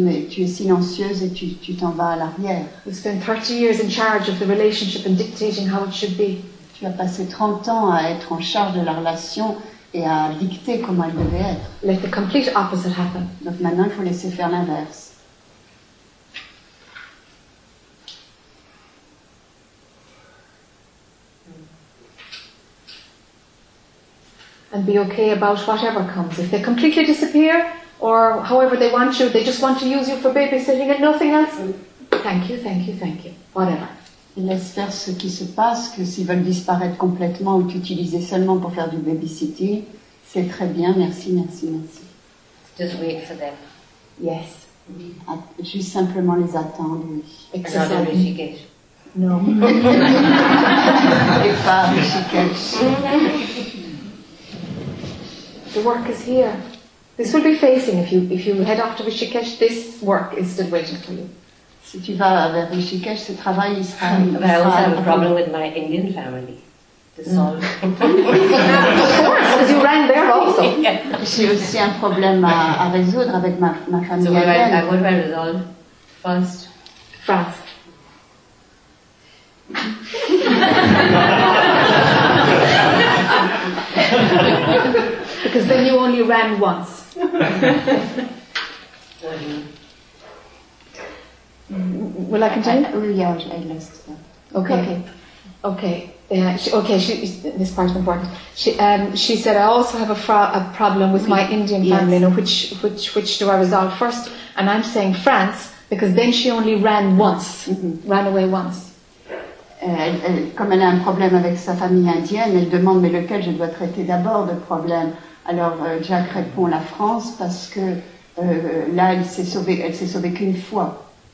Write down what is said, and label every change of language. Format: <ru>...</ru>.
<fr>Tu es silencieuse et tu t'en vas à l'arrière.</fr> <en>You spend 30 years in charge of the relationship and dictating how it should be.</en> <fr>Tu as passé 30 ans à être en charge de la relation et à dicter comment elle devait être.</fr> <en>Let the complete opposite happen.</en> <fr>Donc maintenant, il faut laisser faire l'inverse.</fr> <en>And be okay about whatever comes. If they completely disappear, or however they want you, they just want to use you for babysitting and nothing else. Thank you, thank you, thank you. Whatever.</en> <fr>Et laisse faire ce qui se passe, que s'ils veulent disparaître complètement ou t'utiliser seulement pour faire du babysitting, c'est très bien, merci, merci, merci.</fr> <en>Just wait for them. Yes.</en> <fr>Juste simplement les attendre, oui.</fr> <en>Except in Rishikesh. No.</en> <fr>Et pas Rishikesh.</fr> <en>The work is here. This will be facing, if you head off to Rishikesh, this work is still waiting for you.</en> <fr>Si tu vas vers Rishikesh, ce travail il sera...</fr> <en>But I also have a problem with my Indian family. Dissolve. Of course, because you ran there also. Yeah.</en> <fr>J'ai aussi un problème à résoudre avec ma famille.</fr> <en>So what do I resolve first? France. Because then you only ran once. Will I continue? This part is important. She said, I also have a problem with my Indian family. Yes. Which do I resolve first? And I'm saying France, because then she only ran once, ran away once.</en> <fr>Comme elle a un problème avec sa famille indienne, elle demande mais lequel je dois traiter d'abord de problème. Alors Jack répond la France parce que là elle s'est sauvée qu'une fois.</fr>